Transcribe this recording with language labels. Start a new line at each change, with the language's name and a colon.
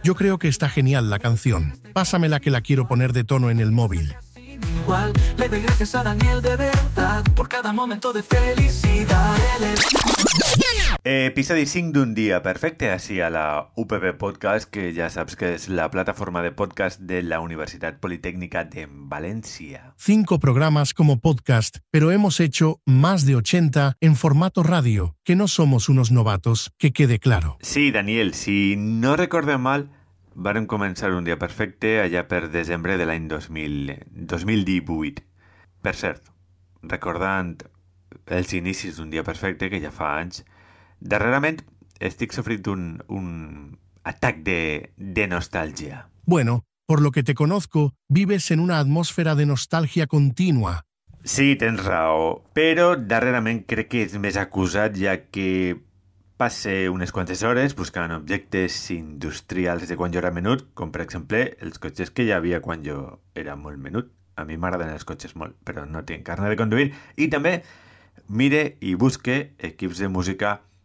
Spanish: Yo creo que está genial la canción. Pásamela, que la quiero poner de tono en el móvil. Igual, le doy gracias a Daniel de verdad por cada momento de felicidad.
Catalan: Episodi 5 d'un dia perfecte, així a la UPB Podcast, que ja saps que és la plataforma de podcast de la Universitat Politécnica de València.
Spanish: 5 programas como podcast, pero hemos hecho más de 80 en formato radio, que no somos unos novatos, que quede claro.
Catalan: Sí, Daniel, si no recordo mal, vàrem començar un dia perfecte allà per desembre de l'any 2018. Per cert, recordant els inicis d'un dia perfecte, que ja fa anys... Darrerament estic sofrint un atac de nostàlgia.
Spanish: Bueno, por lo que te conozco, vives en una atmósfera de
Catalan: nostàlgia contínua. Sí, tens raó, però darrerament crec que és més acusat, ja que passe unes quantes hores buscant objectes industrials de quan jo era menut, com per exemple els cotxes que hi havia quan jo era molt menut. A mi m'agraden els cotxes molt, però no tinc carnet de conduir. I també mire i busque equips de música...